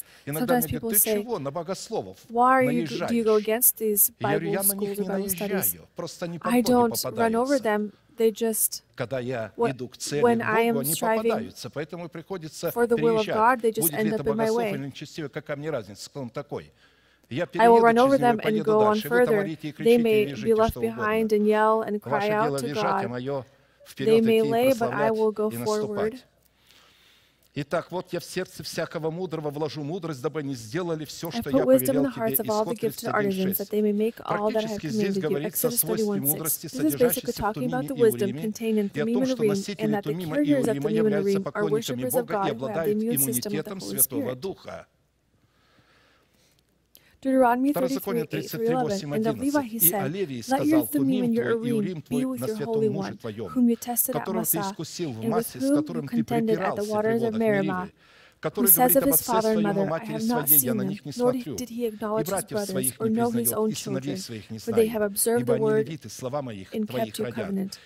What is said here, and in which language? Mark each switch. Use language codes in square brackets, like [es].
[ru] Иногда мне говорят, ты чего на богословов наезжаешь? Я говорю, я на них не наезжаю, просто они под ноги попадаются. Когда я иду к цели Богу, они попадаются, поэтому приходится переезжать. Будет ли это богословие или нечестивое, какая мне разница, склон такой. [en] I will run over them and go on further. They may be left behind and yell and cry out to God. They may lay, but I will go forward. [ru] Итак, вот я в сердце всякого мудрого вложу мудрость, дабы они сделали все, что я повелел тебе. Исход 31:6. Практически здесь говорится о свойстве мудрости, содержащейся в Тумиме и Уриме, и о том, что носители Тумима и Урима являются поклонниками Бога и обладают иммунитетом Святого Духа. [en] Deuteronomy 33:8-11, and the Levite, he said, let your Thummim and your Urim be with your Holy One, whom you tested at Massah, and with whom you contended at the waters of Meribah, who says of his father and mother, I have not seen them, nor did he acknowledge his brothers or know his own children, for they have observed the word and kept your covenant.